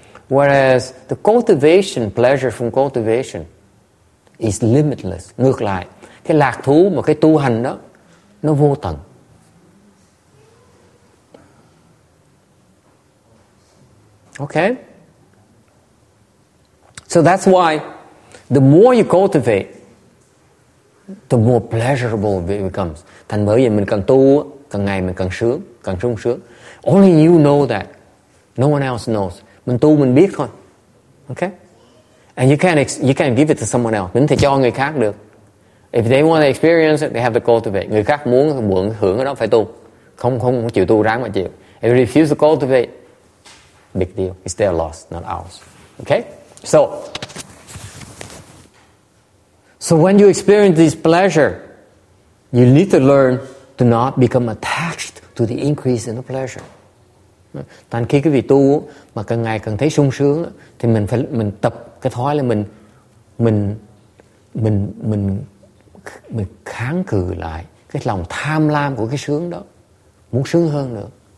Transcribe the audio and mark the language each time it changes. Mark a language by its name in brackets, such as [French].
[English] Whereas the cultivation, pleasure from cultivation is limitless. [Vietnamese] Ngược lại, cái lạc thú mà cái tu hành đó, nó vô tận. [English] Okay. So that's why the more you cultivate, the more pleasurable it becomes. [Vietnamese] Thành bởi vì mình càng tu, càng ngày mình càng sướng, càng sung sướng. [English] Only you know that. No one else knows. [Vietnamese] Mình tu mình biết thôi. [English] Okay? And you can't give it to someone else. [Vietnamese] Mình thì cho người khác được. [English] If they want to experience it, they have to cultivate. [Vietnamese] Người khác muốn mượn hưởng ở đó phải tu. Không chịu tu, ráng mà chịu. [English] If you refuse to cultivate, big deal. It's their loss, not ours. Okay? So when you experience this pleasure, you need to learn to not become attached to the increase in the pleasure. [Vietnamese] Thành khi quý vị tu mà càng ngày càng thấy sung sướng thì mình tập cái thói là mình kháng cự lại cái lòng tham lam của cái sướng đó, muốn sướng hơn nữa.